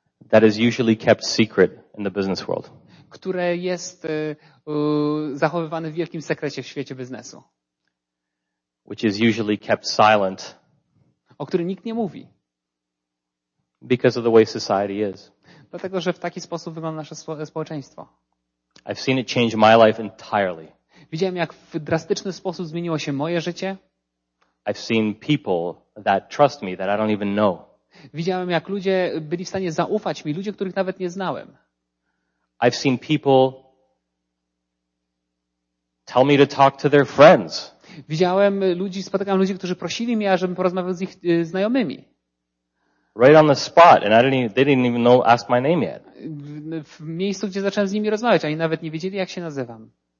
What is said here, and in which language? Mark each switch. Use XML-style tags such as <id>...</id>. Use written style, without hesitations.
<en>That is usually kept secret in the business world.</en> <pl>Które jest zachowywane w wielkim sekrecie w świecie biznesu.</pl> <en>Which is usually kept silent.</en> <pl>O którym nikt nie mówi.</pl> <en>Because of the way society is.</en> <pl>Dlatego, że w taki sposób wygląda nasze społeczeństwo.</pl> <en>I've seen it change my life entirely.</en> <pl>Widziałem, jak w drastyczny sposób zmieniło się moje życie.</pl> <en>I've seen people that trust me that I don't even know.</en> <pl>Widziałem, jak ludzie byli w stanie zaufać mi, ludzie, których nawet nie znałem.</pl> <en>I've seen people tell me to talk to their friends.</en> <pl>Widziałem ludzi, spotykałem ludzi, którzy prosili mnie, ażebym porozmawiał z ich znajomymi.</pl> <en>Right on the spot, and they didn't even know ask my name yet.</en> <pl>W miejscu, gdzie zacząłem z nimi rozmawiać, oni nawet nie wiedzieli, jak się nazywam.</pl>